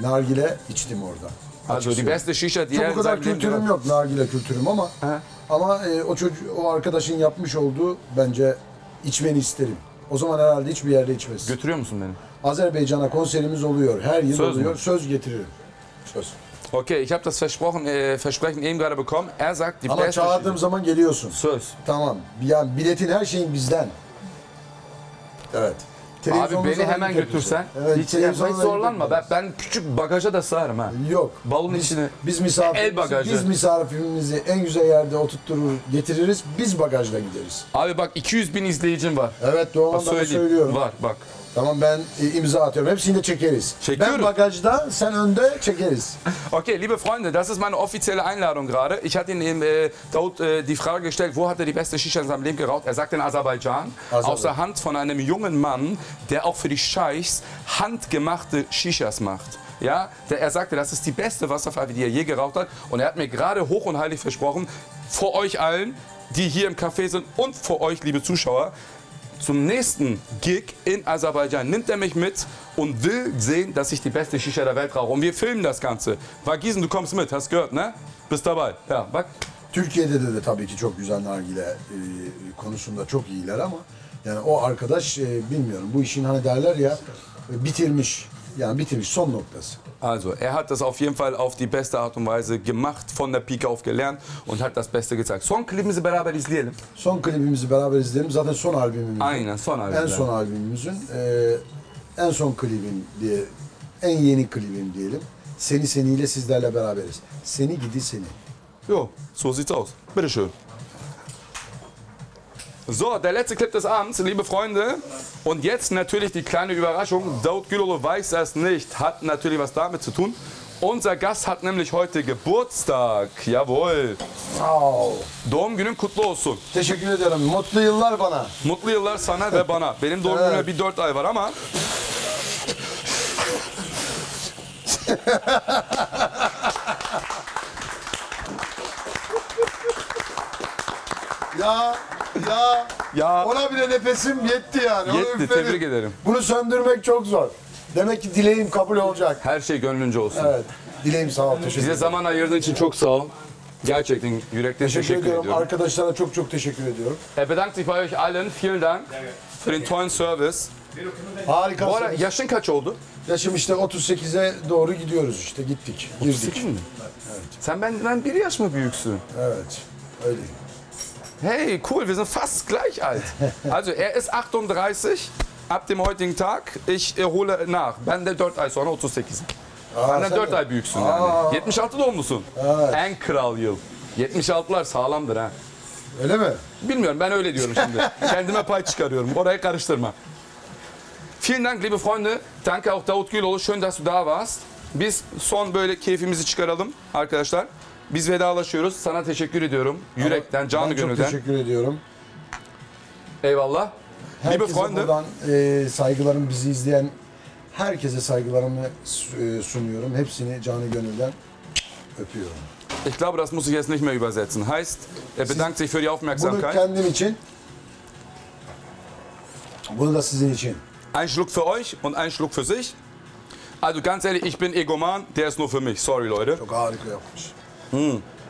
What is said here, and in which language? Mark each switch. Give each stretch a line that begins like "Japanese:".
Turkish: Nargile içtim orada.
German: Also die beste Shisha
Turkish: diye. Çok bu kadar kültürüm yok nargile kültürüm ama ha? Ama o arkadaşın yapmış olduğu bence içmeni isterim. O zaman herhalde hiçbir yerde içmez. Götürüyor musun beni? Azerbaycan'a konserimiz oluyor. Her yıl söz oluyor. Mu? Söz getiririm. Söz.
German: Okay, ich habe das versprochen, versprechen eben gerade bekommen. Er sagt, die Plätze.
Turkish: Ama çağırdığım zaman geliyorsun. Söz. Tamam. Yani biletin her şeyin bizden. Evet. Abi beni hemen götürsen. Evet, hiç yapma, hiç zorlanma. Ben küçük bagaja da sığarım ha. Yok. Balonun içine. Biz misafir. Biz misafirimizi en güzel yerde oturturur, getiririz. Biz bagajla gideriz. Abi bak 200 bin izleyicim var. Evet, doğru anlamda söylüyorum. Var bak. Tamam, ben imza atıyorum. Hepsini de çekeriz. Çekiyorum. Ben bagajda, sen önde, çekeriz.
German: Okay, liebe Freunde, das ist meine offizielle Einladung gerade. Ich hatte ihm Daud die Frage gestellt, wo hat er die beste Shisha in seinem Leben geraucht? Er sagt in Aserbaidschan. Aus der Hand von einem jungen Mann, der auch für die Scheichs handgemachte Shishas macht. Ja, er sagte, das ist die beste Wasserflasche, die er je geraucht hat. Und er hat mir gerade hoch und heilig versprochen, vor euch allen, die hier im Café sind, und vor euch, liebe Zuschauer, zum nächsten Gig in Aserbaidschan nimmt er mich mit und will sehen, dass ich die beste Shisha der Welt rauche. Und wir filmen das Ganze. Vagizen, du kommst mit, hast gehört, ne? Bist dabei. Ja,
Turkish: bak. Türkiye'de de tabii ki çok güzel nargile konusunda çok iyiler ama yani o arkadaş bilmiyorum. Bu işin hani derler ya bitirmiş. Yani bitirmiş son noktası.
German: Also, er hat das auf jeden Fall auf die beste Art und Weise gemacht, von der Pike auf gelernt und hat das Beste gezeigt.
Turkish: Son klibimizi beraber izleyelim. Son klibimizi beraber izleyelim. Zaten son albümümüz. Aynen, son albüm. En son albümümüzün, en son klibim diye, en yeni klibim diyelim. Seni seniyle sizlerle beraberiz. Seni gidi seni.
German: Jo, so sieht's aus. Bitte schön. So, der letzte Clip des Abends, liebe Freunde. Und jetzt natürlich die kleine Überraschung. Daud Gülolo weiß das nicht, hat natürlich was damit zu tun. Unser Gast hat nämlich heute Geburtstag. Jawohl. Wow.
Turkish: Doğum günün kutlu olsun. Teşekkür ederim. Mutlu yıllar bana. Mutlu yıllar sana ve bana. Benim doğum günüme bir 4 ay var ama... ya... Ya ona bile nefesim yetti yani. Yetti, tebrik ederim. Bunu söndürmek çok zor. Demek ki dileğim kabul olacak. Her şey gönlünce olsun. Evet. Dileğim sağ ol. Teşekkür ederim. Size zaman ayırdığın için çok sağ ol. Gerçekten yürekten teşekkür ediyorum. Arkadaşlara çok çok teşekkür ediyorum.
German: Er bedankt sich bei euch allen. Vielen Dank für den tollen Service.
Turkish: Harika. Bu ara yaşın kaç oldu? Yaşım işte 38'e doğru gidiyoruz işte. Gittik. 38 mi? Evet. Sen benden bir yaş mı büyüksün? Evet. Öyleyim.
German: Hey, cool, wir sind fast gleich alt. Also, er ist 38 ab dem heutigen Tag. Ich hole nach.
Turkish: Ben de 4 ay sonra 38'im. Ben de 4 ay büyüksün yani. 76 doğumlusun. Evet. En kral yıl. 76'lar sağlamdır ha. Öyle mi? Bilmiyorum, ben öyle diyorum şimdi. Kendime pay çıkarıyorum, orayı karıştırma.
German: Vielen Dank, liebe Freunde. Danke auch Daud Gülolo. Schön, dass du da warst.
Turkish: Biz son böyle keyfimizi çıkaralım arkadaşlar. Biz vedalaşıyoruz. Sana teşekkür ediyorum. Yürekten, canı gönülden. Ben çok teşekkür ediyorum. Eyvallah. Herkese buradan saygılarımı, bizi izleyen herkese saygılarımı sunuyorum. Hepsini canı gönülden öpüyorum.
German: Ich glaube, das muss ich jetzt nicht mehr übersetzen. Heißt, er bedankt sich für die Aufmerksamkeit.
Turkish: Bunu kendim için. Bunu da sizin için.
German: Ein Schluck für euch und ein Schluck für sich. Also ganz ehrlich, ich bin egoman. Der ist nur für mich. Sorry, Leute.
Turkish: Çok harika yapmış.